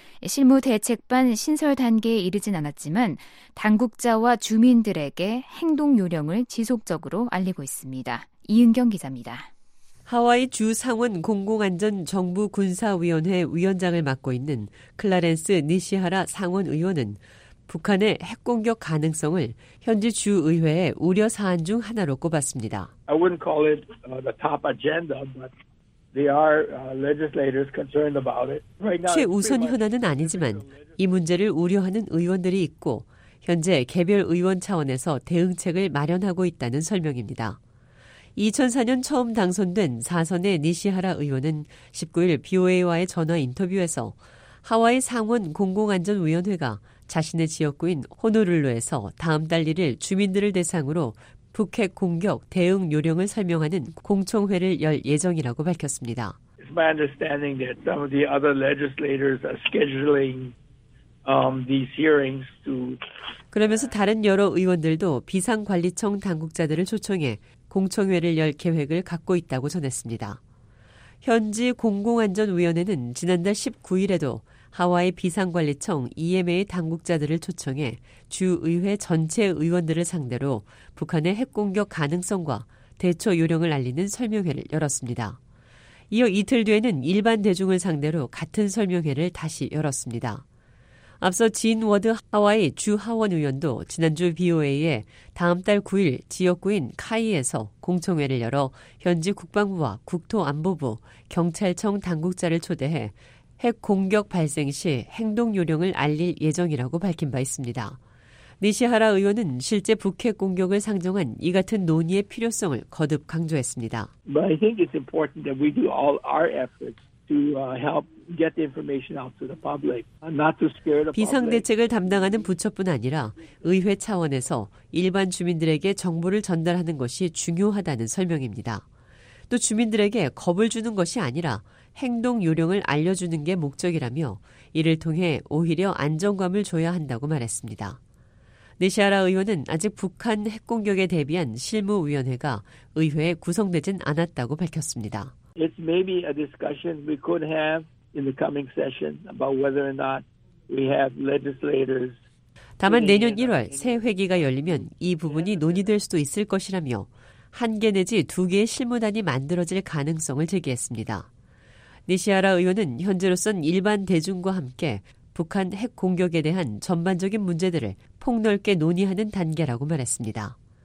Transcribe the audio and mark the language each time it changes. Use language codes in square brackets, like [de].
[ko] 실무 대책반 신설 단계에 이르진 않았지만 당국자와 주민들에게 행동 요령을 지속적으로 알리고 있습니다. 이은경 기자입니다. 하와이 주 상원 공공안전정부군사위원회 위원장을 맡고 있는 클라렌스 니시하라 상원 의원은 북한의 핵 공격 가능성을 현지 주의회의 우려 사안 중 하나로 꼽았습니다. [en] I wouldn't call it the top agenda, but they are legislators concerned about it. Right now, [ko] 최우선 현안은 아니지만 이 문제를 우려하는 의원들이 있고 현재 개별 의원 차원에서 대응책을 마련하고 있다는 설명입니다. 2004년 처음 당선된 4선의 니시하라 의원은 19일 BOA와의 전화 인터뷰에서 하와이 상원 공공안전위원회가 자신의 지역구인 호놀룰루에서 다음 달 1일 주민들을 대상으로 북핵 공격 대응 요령을 설명하는 공청회를 열 예정이라고 밝혔습니다. [en] It's my understanding that some of the other legislators are scheduling these hearings to [ko] 그러면서 다른 여러 의원들도 비상관리청 당국자들을 초청해 공청회를 열 계획을 갖고 있다고 전했습니다. 현지 공공안전위원회는 지난달 19일에도 하와이 비상관리청 EMA 당국자들을 초청해 주의회 전체 의원들을 상대로 북한의 핵공격 가능성과 대처 요령을 알리는 설명회를 열었습니다. 이어 이틀 뒤에는 일반 대중을 상대로 같은 설명회를 다시 열었습니다. 앞서 진 워드 하와이 주 하원 의원도 지난주 BOA에 다음 달 9일 지역구인 카이에서 공청회를 열어 현지 국방부와 국토안보부, 경찰청 당국자를 초대해 핵 공격 발생 시 행동 요령을 알릴 예정이라고 밝힌 바 있습니다. 니시하라 의원은 실제 북핵 공격을 상정한 이 같은 논의의 필요성을 거듭 강조했습니다. [en] But I think it's important that we do all our efforts to help get the information out to the public, not to scare the public. [ko] 비상 대책을 담당하는 부처뿐 아니라 의회 차원에서 일반 주민들에게 정보를 전달하는 것이 중요하다는 설명입니다. 또 주민들에게 겁을 주는 것이 아니라 행동 요령을 알려주는 게 목적이라며 이를 통해 오히려 안정감을 줘야 한다고 말했습니다. 니시하라 의원은 아직 북한 핵공격에 대비한 실무위원회가 의회에 구성되진 않았다고 밝혔습니다. [en] It's maybe a discussion we could have in the coming session about whether or not we have legislators. [ko] 다만 내년 1월 새 회기가 열리면 이 부분이 논의될 수도 있을 것이라며 한 개 내지 두 개의 실무단이 만들어질 가능성을 제기했습니다. 니시하라 의원은 현재로선 일반 대중과 함께 북한 핵 공격에 대한 전반적인 문제들을 폭넓게 논의하는 단계라고 말했습니다.